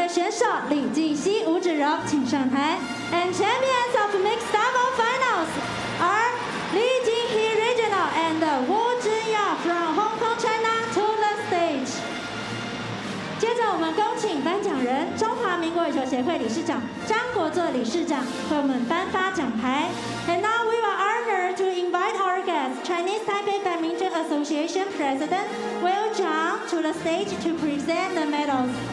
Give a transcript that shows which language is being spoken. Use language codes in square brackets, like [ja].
[zh] 现在恭喜我们的冠军香港代表队选手李静熙吴芷柔请上台. [en] And champions of mixed double finals are Li Jinghe Regional and Wu Zhiyao from Hong Kong, China to the stage. [zh] 接着我们恭请颁奖人中华民国羽球协会理事长张国作理事长为我们颁发奖牌. [en] And now we are honored to invite our guest, Chinese Taipei Badminton Association President Will Zhang, to the stage to present the medals.